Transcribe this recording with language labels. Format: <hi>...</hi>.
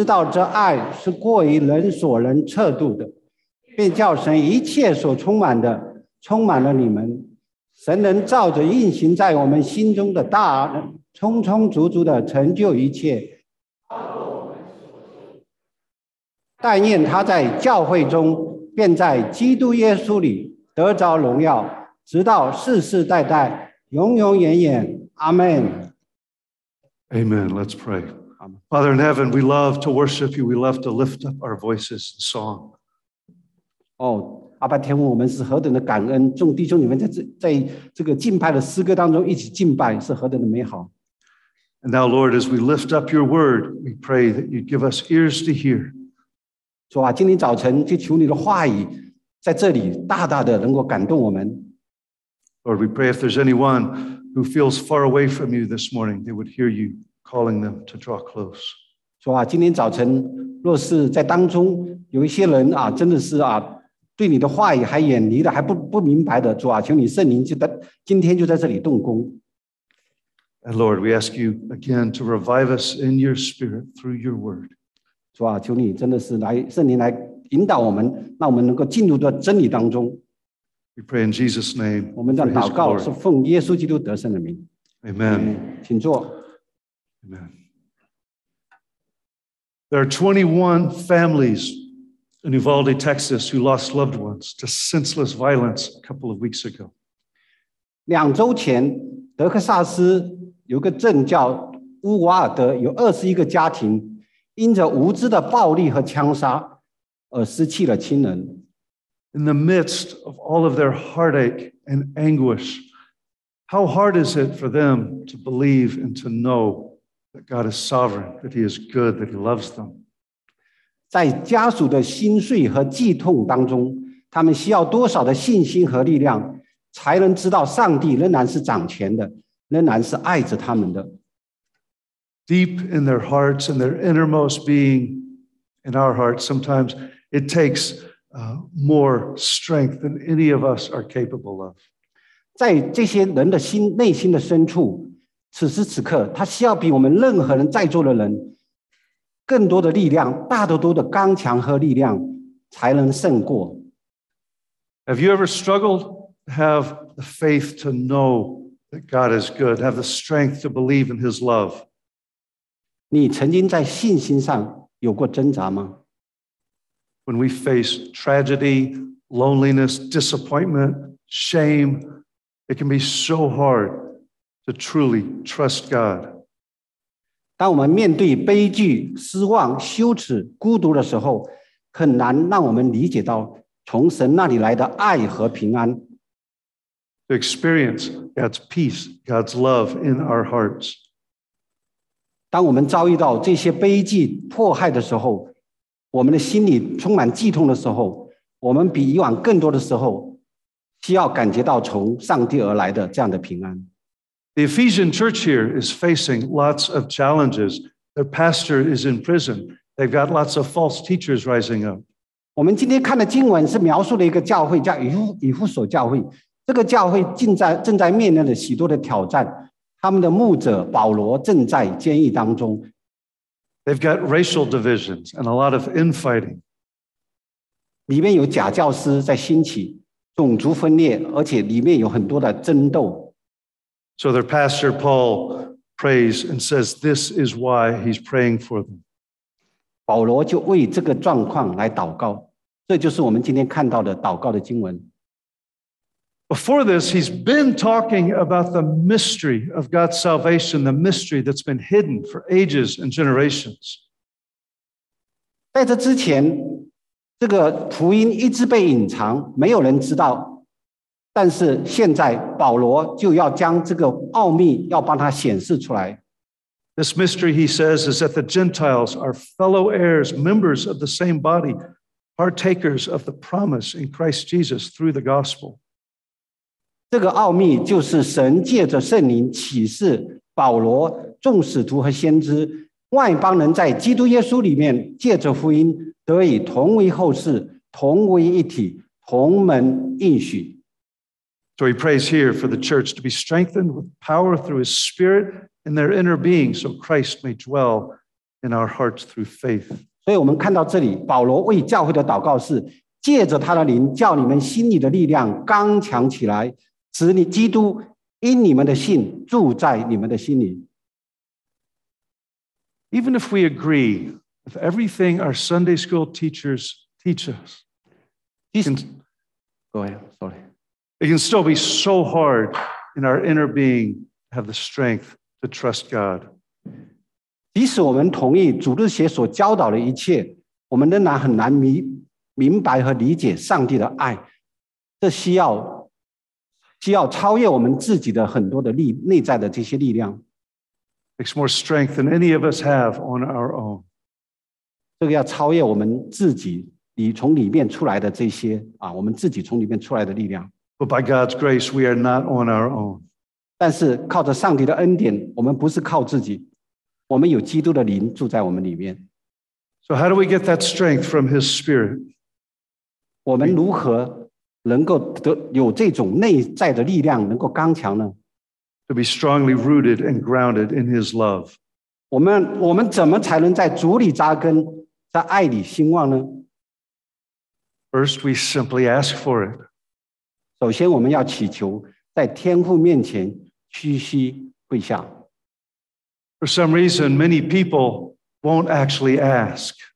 <zh>天上地上的各家都是从他得名，求他按着他丰盛的荣耀，借着他的灵，叫你们心里的力量刚强起来，使基督因你们的信住在你们心里，叫你们的爱有根有基，能以众圣徒一同明白基督的爱是何等长阔高深，并知道这爱是过于人所能测度的。便叫神一切所充满的，充满了你们。神能照着运行在我们心中的大能，充充足足的成就一切。但愿他在教会中，便在基督耶稣里得着荣耀，直到世世代代。永永远远。阿门。</zh> <en>Amen. Let's pray. Father in heaven, we love to worship you. We love to lift up our voices in song.</en> <zh>Oh, 阿爸天父，我们是何等的感恩，众弟兄你们在这个敬拜的诗歌当中一起敬拜，是何等的美好。</zh> <en>And now, Lord, as we lift up your word, we pray that you'd give us ears to hear.</en> <zh>主啊，今天早晨就求你的话语在这里大大的能够感动我们。</zh> <en>Lord, we pray if there's anyone who feels far away from you this morning, they would hear you calling them to draw close.</en> <zh>主啊，今天早晨若是在当中有一些人啊，真的是啊，对你的话语还远离的，还不明白的，主啊，求你圣灵今天就在这里动工。</zh> <en>And Lord, we ask you again to revive us in your spirit through your word.</en> <zh>主啊，求你真的是来圣灵来引导我们，让我们能够进入到真理当中。</zh> <en>We pray in Jesus' name.</en> <zh>我们的祷告是奉耶稣基督得胜的名。</zh> <en>Amen.</en> <zh>请坐。</zh> <en>Amen. There are 21 families in Uvalde, Texas, who lost loved ones to senseless violence a couple of weeks ago.</en> <zh>两周前，德克萨斯有个镇叫乌瓦尔德，有21个家庭因着无知的暴力和枪杀而失去了亲人。</zh> <en>In the midst of all of their heartache and anguish, how hard is it for them to believe and to know that God is sovereign, that He is good, that He loves them?</en> <zh>在家属的心碎和悸痛当中，他们需要多少的信心和力量，才能知道上帝仍然是掌权的，仍然是爱着他们的。</zh> <en>Deep in their hearts and their innermost being, in our hearts, sometimes it takes more strength than any of us are capable of.</en> <zh>在这些人的心内心的深处，此时此刻，他需要比我们任何人在座的人更多的力量，大得多的刚强和力量，才能胜过。</zh> <en>Have you ever struggled to have the faith to know that God is good, have the strength to believe in His love?</en> <zh>你曾经在信心上有过挣扎吗？</zh> <en>When we face tragedy, loneliness, disappointment, shame, it can be so hard to truly trust God.</en> <zh>当我们面对悲剧、失望、羞耻、孤独的时候，很难让我们理解到从神那里来的爱和平安。</zh> <en>To experience God's peace, God's love in our hearts.</en> <zh>当我们遭遇到这些悲剧、迫害的时候，我们的心里充满悸痛的时候，我们比以往更多的时候需要感觉到从上帝而来的这样的平安。</zh> <en>The Ephesian church here is facing lots of challenges. Their pastor is in prison. They've got lots of false teachers rising up.</en> <zh>我们今天看的经文是描述了一个教会叫以弗所教会，这个教会正在面临了许多的挑战，他们的牧者保罗正在监狱当中。</zh> <en>They've got racial divisions and a lot of infighting.</en> <zh>里面有假教师在兴起，种族分裂，而且里面有很多的争斗。</zh> <en>So their pastor Paul prays and says this is why he's praying for them.</en> <zh>保罗就为这个状况来祷告，这就是我们今天看到的祷告的经文。</zh> <en>Before this, he's been talking about the mystery of God's salvation, the mystery that's been hidden for ages and generations.</en> <zh>在这之前，这个福音一直被隐藏，没有人知道。但是现在，保罗就要将这个奥秘要帮他显示出来。</zh> <en>This mystery, he says, is that the Gentiles are fellow heirs, members of the same body, partakers of the promise in Christ Jesus through the gospel.</en> <zh>这个奥秘就是神借着圣灵启示保罗众使徒和先知，外邦人在基督耶稣里面借着福音得以同为后嗣，同为一体，同门应许。</zh> <en>So he prays here for the church to be strengthened with power through his spirit in their inner being, so Christ may dwell in our hearts through faith.</en> <zh>所以我们看到这里保罗为教会的祷告是借着他的灵叫你们心里的力量刚强起来，使你基督因你们的信住在你们的心里。</zh> <en>Even if we agree with everything our Sunday school teachers teach us, go ahead, sorry. It can still be so hard in our inner being have the strength to trust God.</en> <zh>即使我们同意主日学所教导的一切，我们仍然很难明白和理解上帝的爱。这需要超越我们自己的很多的内在的这些力量。</zh> <en>It's more strength than any of us have on our own.</en> <zh>这个要超越我们自己，你从里面出来的这些啊，我们自己从里面出来的力量。</zh> <en>But by God's grace, we are not on our own.</en> <zh>但是靠着上帝的恩典，我们不是靠自己，我们有基督的灵住在我们里面。</zh> <en>So how do we get that strength from His Spirit?</en> <zh>我们如何能够得有这种内在的力量，能够刚强呢？</zh> <en>To be strongly rooted and grounded in His love.</en> <zh>我们怎么才能在主里扎根，在爱里兴旺呢？</zh> <en>First, we simply ask for it.</en> <zh>首先我们要祈求，在天父面前屈膝跪下。</zh> <en>For some reason, many people won't actually ask.</en>